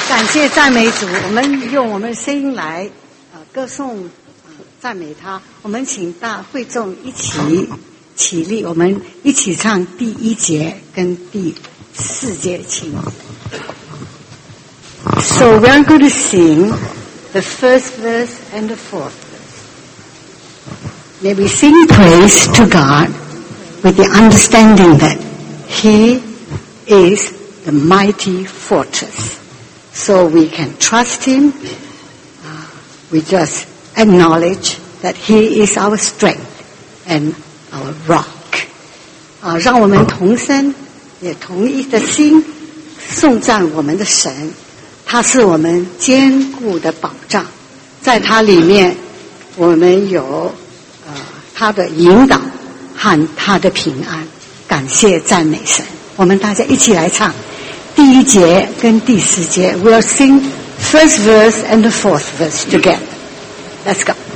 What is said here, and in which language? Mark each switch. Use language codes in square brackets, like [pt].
[zh] 谢赞美主，我们用我们声音来歌颂赞美他。我们请大会众一起起立，我们一起唱第一节跟第四节，请。 [en] So we are going to sing the first verse and the fourth verse. May we sing praise to God with the understanding that He is the mighty fortress. So we can trust Him. We just acknowledge that He is our strength and our rock. [zh] 让我们同声也同一的心颂赞我们的神，他是我们坚固的保障，在他里面我们有他的引导和他的平安。感谢赞美神，我们大家一起来唱第一节跟第四节。 [en] We'll sing first verse and the fourth verse together. Let's go.